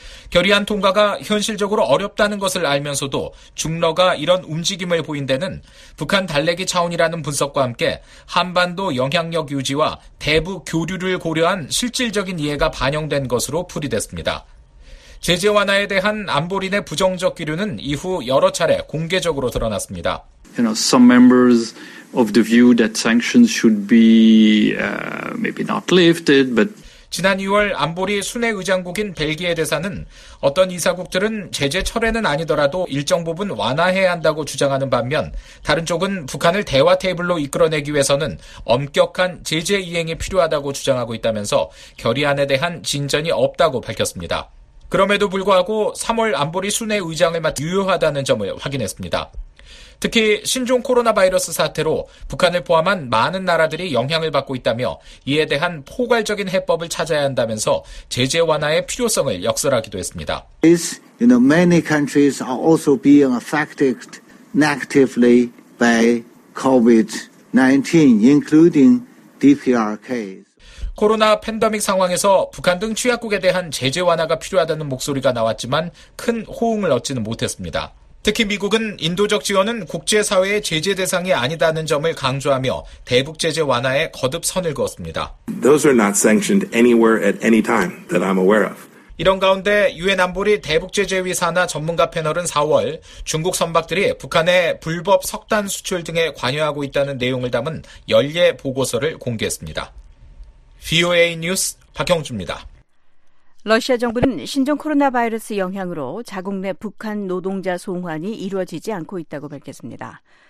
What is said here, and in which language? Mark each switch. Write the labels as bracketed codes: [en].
[ko] 결의안 통과가 현실적으로 어렵다는 것을 알면서도 중러가 이런 움직임을 보인 데는 북한 달래기 차원이라는 분석과 함께 한반도 영향력 유지와 대북 교류를 고려한 실질적인 이해가 반영된 것으로 풀이됐습니다. 제재 완화에 대한 안보리 내 부정적 기류는 이후 여러 차례 공개적으로 드러났습니다. [en] You know, some members of the view that sanctions should be maybe not lifted, but [ko] 지난 2월 안보리 순회 의장국인 벨기에 대사는 어떤 이사국들은 제재 철회는 아니더라도 일정 부분 완화해야 한다고 주장하는 반면 다른 쪽은 북한을 대화 테이블로 이끌어내기 위해서는 엄격한 제재 이행이 필요하다고 주장하고 있다면서 결의안에 대한 진전이 없다고 밝혔습니다. 그럼에도 불구하고 3월 안보리 순회 의장을 맡아 유효하다는 점을 확인했습니다. 특히 신종 코로나 바이러스 사태로 북한을 포함한 많은 나라들이 영향을 받고 있다며 이에 대한 포괄적인 해법을 찾아야 한다면서 제재 완화의 필요성을 역설하기도 했습니다. [en] Many countries are also being affected negatively by COVID-19, including DPRK. [ko] 코로나 팬데믹 상황에서 북한 등 취약국에 대한 제재 완화가 필요하다는 목소리가 나왔지만 큰 호응을 얻지는 못했습니다. 특히 미국은 인도적 지원은 국제사회의 제재 대상이 아니다는 점을 강조하며 대북 제재 완화에 거듭 선을 그었습니다. [en] Those are not sanctioned anywhere at any time that I'm aware of. [ko] 이런 가운데 유엔 안보리 대북 제재 위 산하 전문가 패널은 4월 중국 선박들이 북한의 불법 석탄 수출 등에 관여하고 있다는 내용을 담은 연례 보고서를 공개했습니다. VOA 뉴스 박형주입니다. 러시아 정부는 신종 코로나 바이러스 영향으로 자국 내 북한 노동자 송환이 이루어지지 않고 있다고 밝혔습니다.